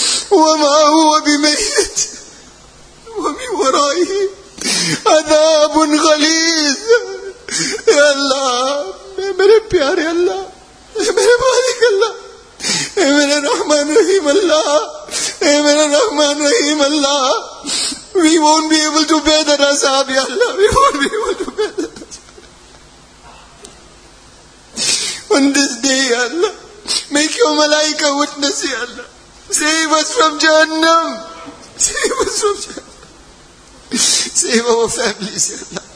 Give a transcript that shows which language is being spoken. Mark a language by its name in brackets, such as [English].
[Arabic] وما هو بميت ومن ورائه عذاب غليظ. [Urdu] يا الله يا ميرے پیارے اللہ يا ميرے مالک اللہ يا ميرے رحمان رحیم اللہ يا ميرے رحمان رحیم اللہ. [English] We won't be able to bear the azab, Ya Allah. We won't be able to bear the on this day, Ya Allah. Make your malaika witness, Ya Allah. Save us from Jahannam. Save us from Jahannam. Save our families, Ya Allah.